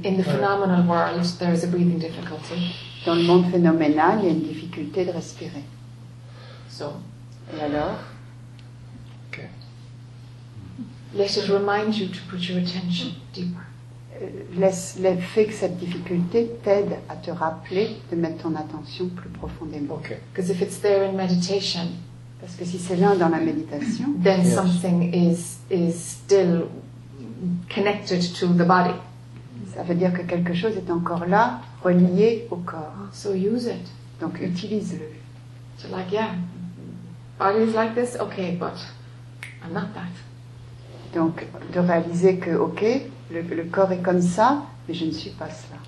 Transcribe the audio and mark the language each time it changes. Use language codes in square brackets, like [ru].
[en] In the phenomenal world, there is a breathing difficulty. [fr] Dans le monde phénoménal, il y a une difficulté de respirer. [en] So, [fr] et alors? [en] Okay. Let it remind you to put your attention deeper. [fr] Fait que cette difficulté t'aide à te rappeler de mettre ton attention plus profondément. [en] Okay. Because if it's there in meditation, [fr] parce que si c'est là dans la méditation, [en] then yes. Something is still connected to the body. [fr] Ça veut dire que quelque chose est encore là, relié au corps. [en] So use it. [fr] Donc utilise-le. [en] So like yeah. Body is like this, okay, but I'm not that. [fr] Donc, de réaliser que, ok, le corps est comme ça, mais je ne suis pas cela.